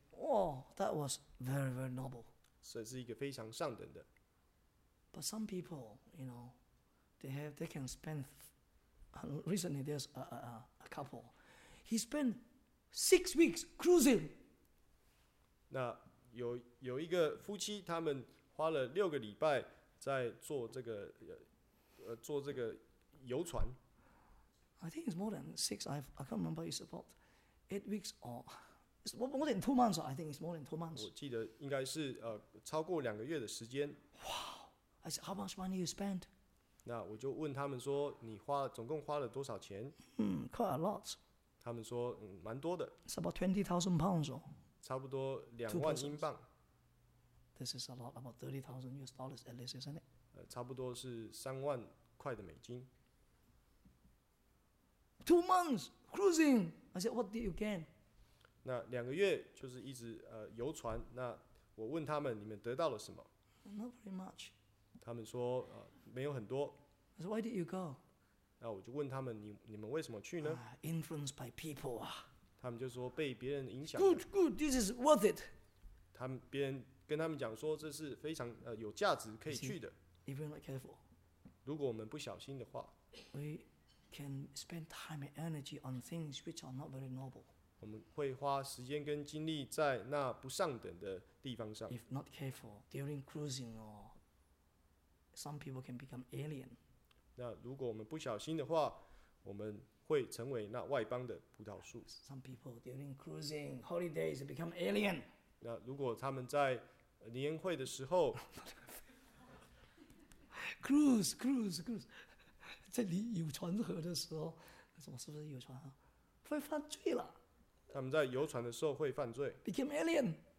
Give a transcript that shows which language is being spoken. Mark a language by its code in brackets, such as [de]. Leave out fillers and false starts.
[en] Oh, that was very, very noble. [zh] 这是一个非常上等的。 [en] But some people, you know, they can spend. Recently, there's a couple. He spent 6 weeks cruising. [zh] 那有一个夫妻，他们花了六个礼拜在做这个做这个游船。 [en] I think it's more than six. I can't remember. It's about 8 weeks or it's more than 2 months. I think it's more than 2 months. [zh] 我记得应该是超过两个月的时间。 [en] Wow! I said, how much money you spend? [zh] 那我就问他们说，你花总共花了多少钱？ [en] 嗯 ，quite a lot. [zh] 他们说，嗯，蛮多的。 [en] It's about 20,000 pounds. [zh] 差不多2万英镑。 [en] This is a lot. About 30,000 US dollars at least, isn't it? [zh] 差不多是3万块的美金。 [en] 2 months cruising. I said, what did you gain? [zh] 那两个月就是一直游船。那我问他们，你们得到了什么 [en] ？Not very much. [zh] 他们说没有很多。 [en] I said, why did you go? [zh] 那我就问他们，你们为什么去呢 [en] ？Influenced by people. [zh] 他们就说被别人影响。 [en] Good, good. This is worth it. [zh] 他们别人跟他们讲说，这是非常有价值可以去的。 [en] If we're not careful, [zh] 如果我们不小心的话 [en] ，we can spend time and energy on things which are not very noble. [zh] 我们会花时间跟精力在那不上等的地方上。 [en] If not careful, during cruising or some people can become alien. [zh] 那如果我们不小心的话，我们会成为那外邦的葡萄树。 [en] Some people during cruising holidays become alien. [zh] 那如果他们在年会的时候，cruise， 在离有船河的时候，什么是不是有船啊？会犯罪了。他们在游船的时候会犯罪 [en] ，become alien，